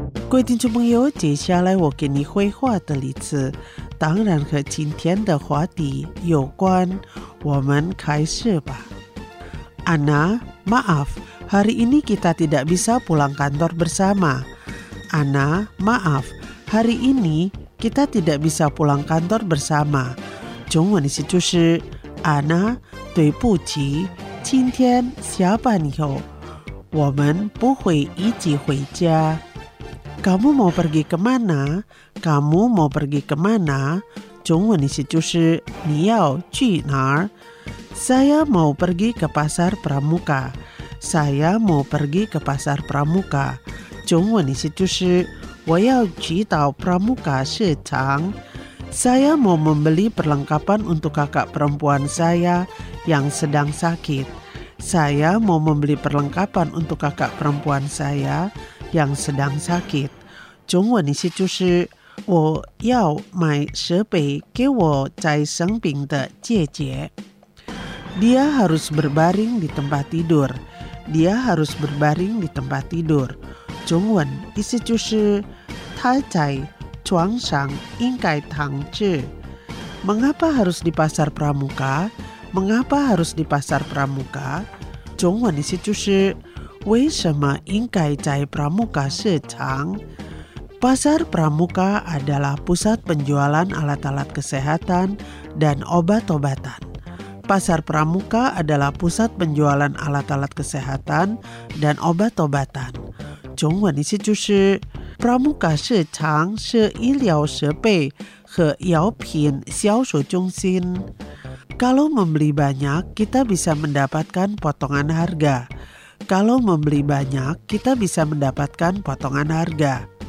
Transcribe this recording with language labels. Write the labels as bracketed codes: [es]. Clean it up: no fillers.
[zh] 各位听众朋友，接下来我给你绘画的例子，当然和今天的话题有关。我们开始吧。 [id] Anna, maaf, hari ini kita tidak bisa pulang kantor bersama. Anna, maaf, hari ini kita tidak bisa pulang kantor bersama. [zh] 中文意思就是 Anna, 对不起，今天下班以后，我们不会一起回家。 [id] Kamu mau pergi kemana? Kamu mau pergi kemana? [zh] 中文意思就是你要去哪儿。 [id] Saya mau pergi ke pasar Pramuka. Saya mau pergi ke pasar Pramuka. [zh] 中文意思就是我要去到 Pramuka 市场。 [id] Saya mau membeli perlengkapan untuk kakak perempuan saya yang sedang sakit. Saya mau membeli perlengkapan untuk kakak perempuan saya yang sedang sakit. [zh] 中文意思就是我要买设备给我在生病的姐姐。 [id] Dia harus berbaring di tempat tidur. Dia harus berbaring di tempat tidur. [zh] 中文意思就是他在床上应该躺着。 [id] Mengapa harus di pasar Pramuka? Mengapa harus di pasar Pramuka? [zh] 中文意思就是为什么应该在 Pramuka 市场？ [id] Pasar Pramuka adalah pusat penjualan alat-alat kesehatan dan obat-obatan. Pasar Pramuka adalah pusat penjualan alat-alat kesehatan dan obat-obatan. [zh] 中文意思就是 Pramuka 市场是医疗设备和药品销售中心。 [id] Kalau membeli banyak, kita bisa mendapatkan potongan harga. Kalau membeli banyak, kita bisa mendapatkan potongan harga.